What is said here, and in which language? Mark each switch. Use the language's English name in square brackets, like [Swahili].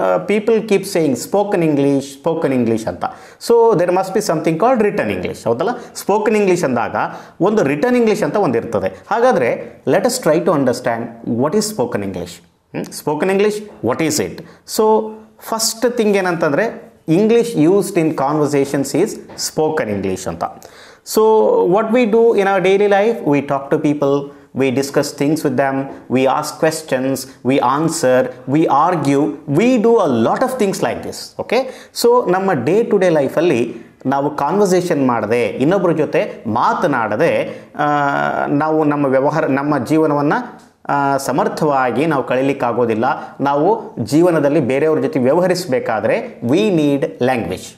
[English] People keep saying spoken English, spoken English ಅಂತ. So there must be something called written English, [Kannada] ಹೌದಲ್ಲ? Spoken English ಅಂದಾಗ ಒಂದು return English ಅಂತ ಒಂದು ಇರ್ತದೆ. ಹಾಗಾದರೆ [English] Let us try to understand what is spoken English. Spoken English, what is it? So first thing [Kannada] ಏನಂತಂದರೆ, [English] English used in conversations is spoken English ಅಂತ. So what we do in our daily life, we talk to people, we discuss things with them, we ask questions, we answer, we argue, we do a lot of things like this. [Kannada] Okay, so namma day to day life alli ನಾವು conversation ಮಾಡದೆ, ಇನ್ನೊಬ್ಬರ ಜೊತೆ ಮಾತನಾಡದೆ ನಾವು ನಮ್ಮ ವ್ಯವಹಾರ, ನಮ್ಮ ಜೀವನವನ್ನು ಸಮರ್ಥವಾಗಿ ನಾವು ಕಳೀಲಿಕ್ಕಾಗೋದಿಲ್ಲ. ನಾವು ಜೀವನದಲ್ಲಿ ಬೇರೆಯವ್ರ ಜೊತೆ ವ್ಯವಹರಿಸಬೇಕಾದ್ರೆ [English] We need language.